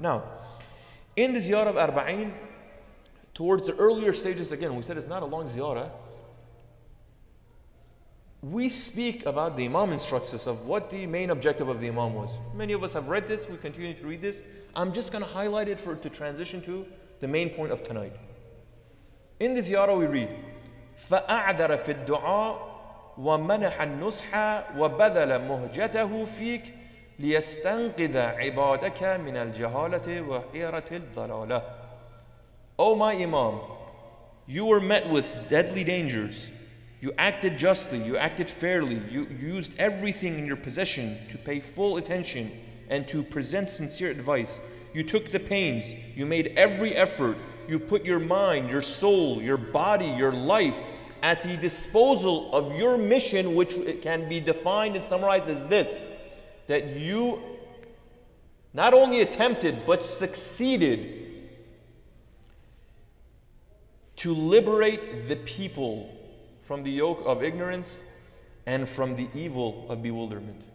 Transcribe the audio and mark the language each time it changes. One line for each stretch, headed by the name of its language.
English: Now, in the ziyarah of Arba'een, towards the earlier stages, again, we said it's not a long ziyarah. We speak about the imam instructs us of what the main objective of the imam was. Many of us have read this. We continue to read this. I'm just going to highlight it to transition to the main point of tonight. In the ziyarah, we read,
Arabic: فَأَعْذَرَ فِي الدُّعَاءِ وَمَنَحَ النُّصْحَ وَبَذَلَ مُهْجَتَهُ فِيكْ لِيَسْتَنْقِذَ عِبَادَكَ مِنَ الْجَهَالَةِ وَحِيرَةِ الظَّلَالَةِ.
English: O my Imam, you were met with deadly dangers. You acted justly, you acted fairly, you used everything in your possession to pay full attention and to present sincere advice. You took the pains, you made every effort, you put your mind, your soul, your body, your life at the disposal of your mission, which it can be defined and summarized as this, that you not only attempted but succeeded to liberate the people from the yoke of ignorance and from the evil of bewilderment.